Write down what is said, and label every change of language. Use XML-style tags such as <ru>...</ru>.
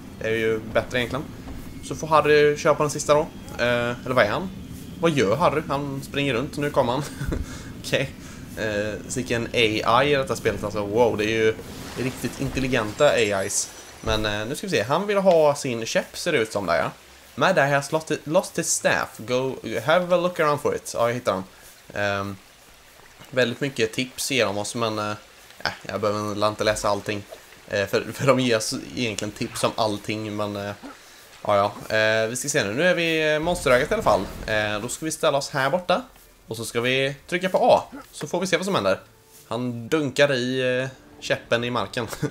<sv>Det är ju bättre egentligen. Så får Harry köpa den sista då. Eller vad är han? Vad gör Harry? Han springer runt. Nu kommer han. Okej. Okay. Så gick en AI i detta spelet. Alltså, wow. Det är ju... riktigt intelligenta AIs. Men nu ska vi se. Han vill ha sin käpp, ser det ut som där, ja. Med det här,</sv> <en>lost his staff. Go, have a look around for it.</en> <sv>Ja, jag hittar den. Väldigt mycket tips ger de oss, men jag behöver inte läsa allting. För de ger oss egentligen tips om allting, men ja. Vi ska se nu. Nu är vi monsterögat i alla fall. Då ska vi ställa oss här borta. Och så ska vi trycka på A. Så får vi se vad som händer. Han dunkar i... käppen i marken.</sv>